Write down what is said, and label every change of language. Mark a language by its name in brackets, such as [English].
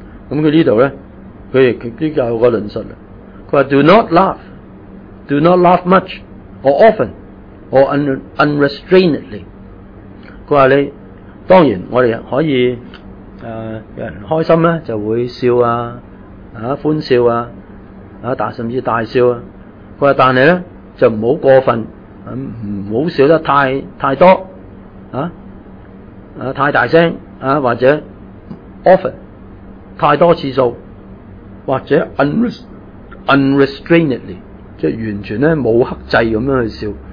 [Cantonese] 咁佢呢度咧，佢亦都有个论述啦。佢话 [English] Do not laugh much or often or unrestrainedly。 [Cantonese] 佢话你当然我哋可以。有人开心咧，就会笑啊，欢笑啊，甚至大笑啊。佢话但系咧，就唔好过分，唔好笑得太多，太大声啊，或者 often 太多次数，或者 unrestrainedly， 即系完全咧冇克制咁样去笑。